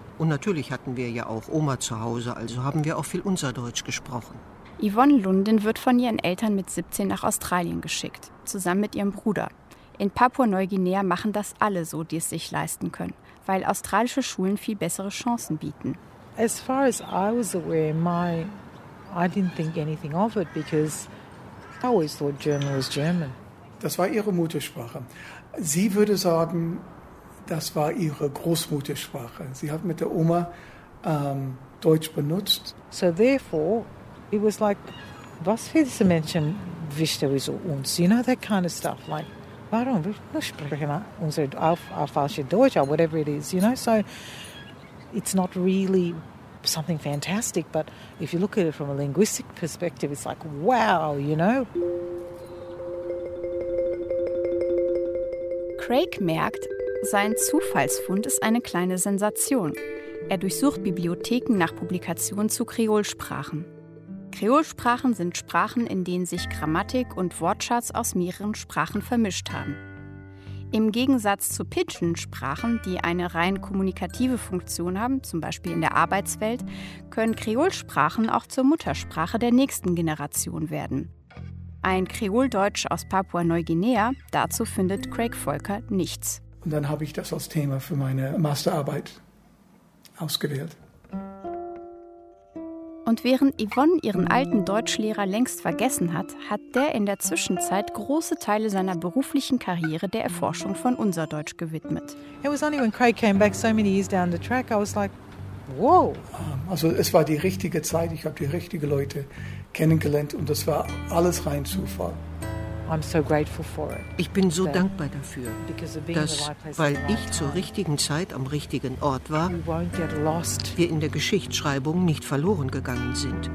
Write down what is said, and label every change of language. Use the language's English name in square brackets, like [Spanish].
[German] Und natürlich hatten wir ja auch Oma zu Hause, also haben wir auch viel unser Deutsch gesprochen. Yvonne Lundin wird von ihren Eltern mit 17 nach Australien geschickt, zusammen mit ihrem Bruder. In Papua-Neuguinea machen das alle so, die es sich leisten können, weil australische Schulen viel bessere Chancen bieten. [English] As far as I was aware, I didn't think anything of it because I always thought German was German. [German] Das war ihre Muttersprache. Sie würde sagen, das war ihre Großmuttersprache. Sie hat mit der Oma Deutsch benutzt. [English] So therefore, it was like, [German] was für diese Menschen wissen wir so uns? [English] You know, that kind of stuff. Like, [German] warum wir sprechen unser falsches Deutsch [English] or whatever it is, you know? So it's not really something fantastic, but if you look at it from a linguistic perspective, it's like, wow, you know? [German] Craig merkt, sein Zufallsfund ist eine kleine Sensation. Er durchsucht Bibliotheken nach Publikationen zu Kreolsprachen. Kreolsprachen sind Sprachen, in denen sich Grammatik und Wortschatz aus mehreren Sprachen vermischt haben. Im Gegensatz zu Pidgin-Sprachen, die eine rein kommunikative Funktion haben, zum Beispiel in der Arbeitswelt, können Kreolsprachen auch zur Muttersprache der nächsten Generation werden. Ein Kreoldeutsch aus Papua-Neuguinea, dazu findet Craig Volker nichts. Und dann habe ich das als Thema für meine Masterarbeit ausgewählt. Und während Yvonne ihren alten Deutschlehrer längst vergessen hat, hat der in der Zwischenzeit große Teile seiner beruflichen Karriere der Erforschung von unser Deutsch gewidmet. [English] It was only when Craig came back so many years down the track, I was like, wow. [German] Also es war die richtige Zeit, ich habe die richtigen Leute kennengelernt und das war alles rein Zufall. [English] I'm so grateful for it. [German] Ich bin so dankbar dafür, dass, weil ich zur richtigen Zeit am richtigen Ort war, wir in der Geschichtsschreibung nicht verloren gegangen sind.